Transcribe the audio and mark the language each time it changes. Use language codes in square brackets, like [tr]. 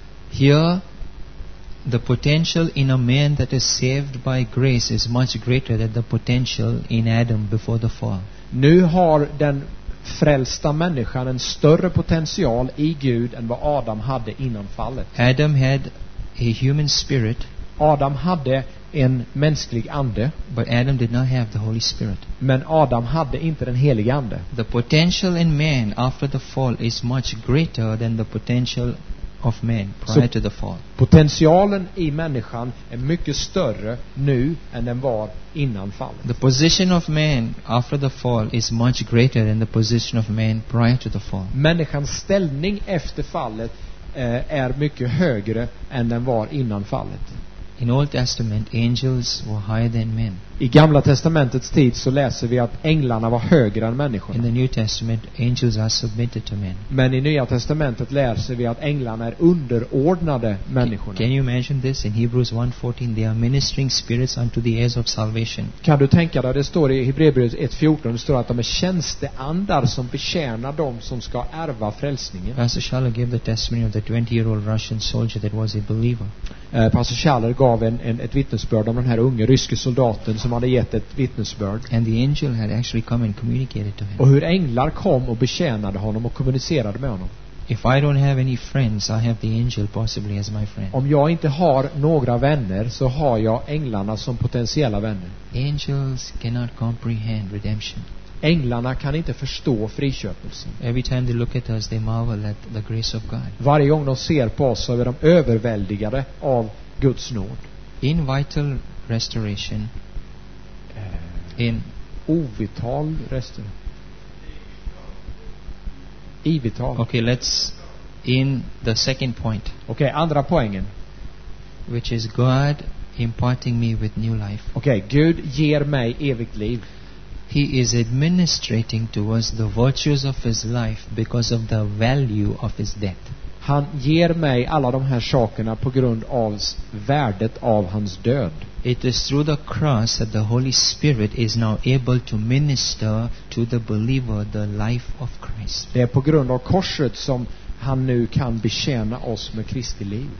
[en] Here the potential in a man that is saved by grace is much greater than the potential in Adam before the fall. [sv] Nu har den frälsta människan en större potential i Gud än vad Adam hade innan fallet. [en] Adam had a human spirit. [sv] Adam hade en mänsklig ande. [en] But Adam did not have the Holy Spirit. [sv] Men Adam hade inte den helige ande. [en] The potential in man after the fall is much greater than the potential of man prior to the fall. [sv] Potentialen i människan är mycket större nu än den var innan fallet. [en] The position of man after the fall is much greater than the position of man prior to the fall. [sv] Människans ställning efter fallet är mycket högre än den var innan fallet. [en] In Old Testament, angels were higher than men. [sv] I Gamla testamentets tid så läser vi att änglarna var högre än människorna. [en] In the New Testament, angels are submitted to men. [sv] Men i Nya testamentet läser vi att änglarna är underordnade människorna. [en] Can you imagine this in Hebrews 1:14? They are ministering spirits unto the heirs of salvation. [sv] Kan du tänka dig, det står i Hebreerbrevet 1:14, det står att de är tjänsteandar som betjänar dem som ska ärva frälsningen. [en] Pastor Schaller gave the testimony of the 20-year-old Russian soldier that was a believer. [sv] Pastor Schaller gav ett vittnesbörd om den här unge ryske soldaten som hade gett ett vittnesbörd. [en] And the angel had actually come and communicated to him. [sv] Och hur änglar kom och betjänade honom och kommunicerade med honom. [en] If I don't have any friends, I have the angel possibly as my friend. [sv] Om jag inte har några vänner så har jag änglarna som potentiella vänner. [en] Angels cannot comprehend redemption. [sv] Änglarna kan inte förstå friköpelsen. [en] Every time they look at us, they marvel at the grace of God. [sv] Varje gång de ser på oss så är de överväldigade av Guds nåd. [en] In vital restoration. In ovital restoration. Ivital. Okay, let's in the second point. [sv] Okay, andra poängen. [en] Which is God imparting me with new life. [sv] Okay, Gud ger mig evigt liv. [en] He is administrating to us the virtues of his life because of the value of his death. [sv] Han ger mig alla de här sakerna på grund av värdet av hans död. [en] It is through the cross that the Holy Spirit is now able to minister to the believer the life of Christ. [sv] Det är på grund av korset som han nu kan betjäna oss med Kristi liv.